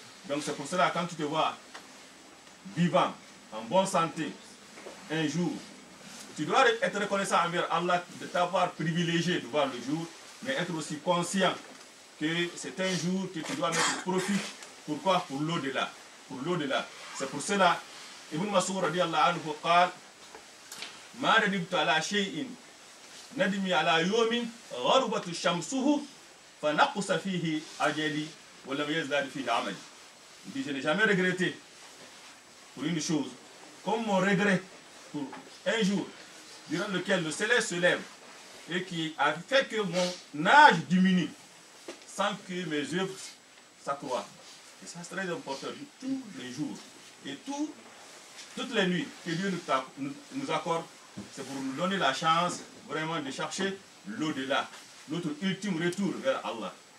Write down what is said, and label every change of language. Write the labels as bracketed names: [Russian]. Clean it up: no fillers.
[French] Donc c'est pour cela, quand tu te vois vivant, en bonne santé, un jour, tu dois être reconnaissant envers Allah de t'avoir privilégié de voir le jour, mais être aussi conscient que c'est un jour que tu dois mettre profit. Pourquoi? Pour l'au-delà. Pour l'au-delà. C'est pour cela. [Arabic] Ibn Mas'ud radiallahu anhu قال: ما ندبت على شيء ندمي على يوم غربت الشمس فنقص فيه أجلي ولم يزداد فيه عملي. [French] Il dit, je n'ai jamais regretté pour une chose, comme mon regret pour un jour durant lequel le soleil se lève et qui a fait que mon âge diminue sans que mes œuvres s'accroissent. Et ça, c'est très important, tous les jours et toutes les nuits que Dieu nous accorde, c'est pour nous donner la chance vraiment de chercher l'au-delà, notre ultime retour vers Allah.